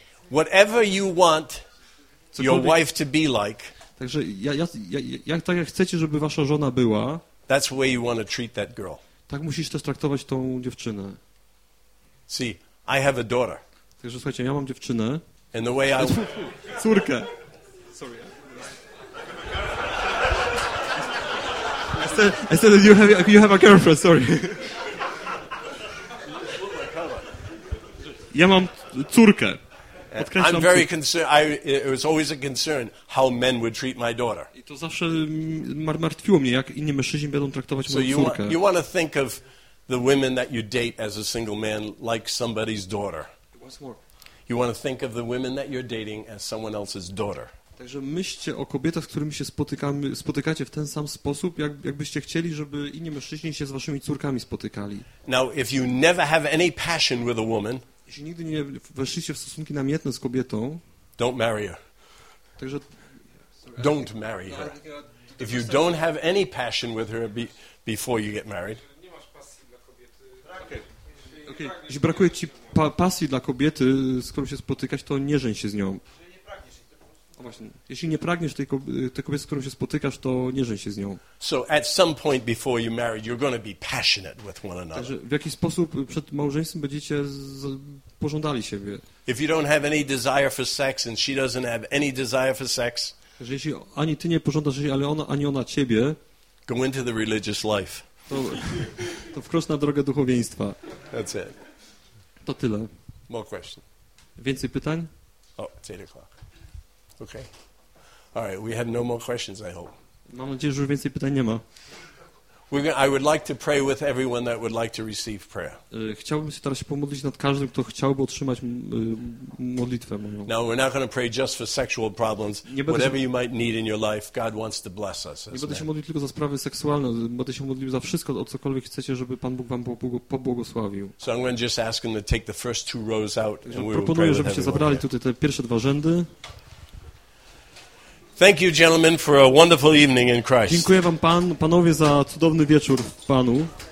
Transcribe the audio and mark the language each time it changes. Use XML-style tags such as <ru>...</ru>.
<en>Whatever you want your wife to be like.</en> <pl>Także jak chcecie, żeby wasza żona była.</pl> <en>That's the way you want to treat that girl.</en> <pl>Tak musisz też traktować tą dziewczynę.</pl> <en>See, I have a daughter.</en> <pl>Także słuchajcie, ja mam dziewczynę.</pl> <en>And the way I</en> <pl>córkę.</pl> <en>Sorry. I said that you have a girlfriend. Sorry.</en> <pl>Ja mam córkę.</pl> <en>I'm very concerned. It was always a concern how men would treat my daughter.</en> <pl>I to zawsze martwiło mnie, jak inni mężczyźni będą traktować moją córkę.</pl> <en>So you want to think of the women that you date as a single man like somebody's daughter. What's more? You want to think of the women that you're dating as someone else's daughter.</en> <pl>Także myślcie o kobietach, z którymi się spotykacie w ten sam sposób, jakbyście chcieli, żeby inni mężczyźni się z waszymi córkami spotykali.</pl> <en>Now, if you never have any passion with a woman,</en> <pl>jeśli nigdy nie weszliście w stosunki namiętne z kobietą,</pl> <en>don't marry her.</en> <pl>Także</pl> <en>don't marry her. If you don't have any passion with her before you get married,</en> <pl>nie masz pasji dla kobiety.</pl> <en>Okay.</en> <pl>Jeśli brakuje ci pasji dla kobiety, z którą się spotykać, to nie żeń się z nią. O właśnie. Jeśli nie pragniesz tej kobiety, z którą się spotykasz, to nie żeń się z nią.</pl> <en>So at some point before you married, you're going to be passionate with one another.</en> <pl>Także w jaki sposób przed małżeństwem będziecie pożądali siebie?</pl> <en>If you don't have any desire for sex and she doesn't have any desire for sex.</en> <pl>Także jeśli ani ty nie pożądasz jej, ale ona ani ona ciebie.</pl> <en>Go into the religious life.</en> <pl>To wkrocz na drogę duchowieństwa.</pl> <en>That's it.</en> <pl>To tyle.</pl> <en>More question.</en> <pl>Więcej pytań?</pl> <en>Oh, it's 8:00. Okay. All right, we have no more questions, I hope.</en> <pl>Mam nadzieję, że już więcej pytań nie ma.</pl> <en>I would like to pray with everyone that would like to receive prayer.</en> <pl>Chciałbym się teraz pomodlić nad każdym, kto chciałby otrzymać modlitwę moją.</pl> <en>Now we're not going to pray just for sexual problems. Whatever you might need in your life, God wants to bless us.</en> <pl>Nie będę się modlić tylko za sprawy seksualne, będę się modlił za wszystko, o cokolwiek chcecie, żeby Pan Bóg wam pobłogosławił.</pl> <en>So I'm going to just ask him to take the first two rows out and we'll pray.</en> <pl>Proponuję, żebyście zabrali tutaj te pierwsze dwa rzędy.</pl> <en>Thank you, gentlemen, for a wonderful evening in Christ.</en> <pl>Dziękuję wam panowie za cudowny wieczór w Panu.</pl>